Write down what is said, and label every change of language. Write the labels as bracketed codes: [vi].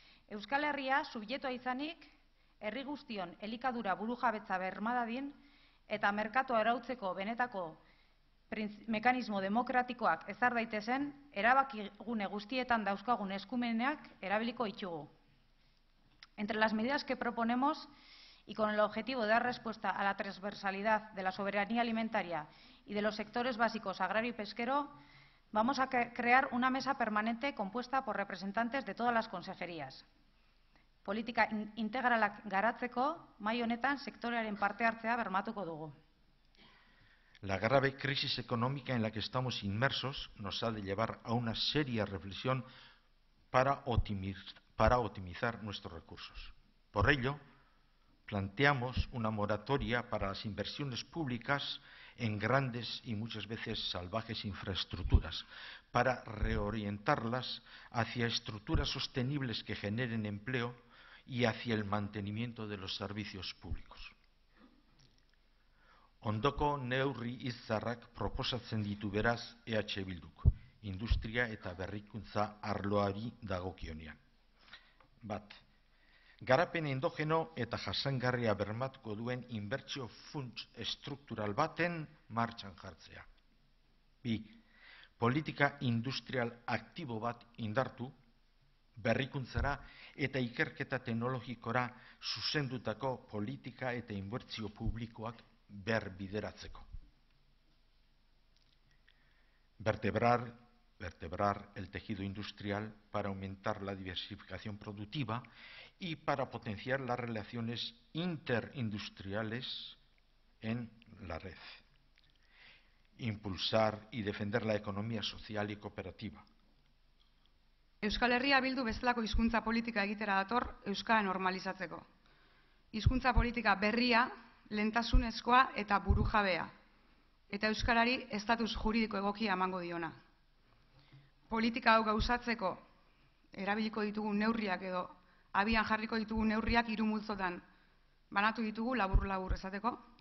[eu] Euskal Herria subjetoa izanik, herri guztion elikadura burujabetza bermadadin eta merkatoa arautzeko benetako mekanismo demokratikoak ezar daitezen, erabakigune guztietan dauzkagun eskumenak erabiliko itxugu. [es] Entre las medidas que proponemos y con el objetivo de dar respuesta a la transversalidad de la soberanía alimentaria y de los sectores básicos agrario y pesquero, vamos a crear una mesa permanente compuesta por representantes de todas las consejerías. [eu] Politika integralak garatzeko, mai honetan sektorearen parte hartzea bermatuko dugu. [es] La grave crisis económica en la que estamos inmersos nos ha de llevar a una seria reflexión para optimizar nuestros recursos. Por ello, planteamos una moratoria para las inversiones públicas en grandes y muchas veces salvajes infraestructuras, para reorientarlas hacia estructuras sostenibles que generen empleo y hacia el mantenimiento de los servicios públicos. [eu] Ondoko neurri izarrak proposatzen ditu beraz EH Bilduk, industria eta berrikuntza arloari dagokionean. Bat, garapen endogeno eta jasangarria bermatuko duen inbertsio funts estruktural baten martxan jartzea. Bi, politika industrial aktibo bat indartu, berrikuntzara eta ikerketa teknologikora zuzendutako politika eta inbertsio publikoak berbideratzeko. [es] Vertebrar el tejido industrial para aumentar la diversificación productiva y para potenciar las relaciones interindustriales en la red. Impulsar y defender la economía social y cooperativa. [eu] Euskal Herria Bildu bezalako hizkuntza politika egitera dator euskara normalizatzeko. Hizkuntza politika berria, lehentasunezkoa eta burujabea, eta euskarari estatus juridiko egokia emango diona. Politika hau gauzatzeko erabiliko ditugun neurriak edo abian jarriko ditugun neurriak hiru multzotan banatu ditugu labur-labur esateko.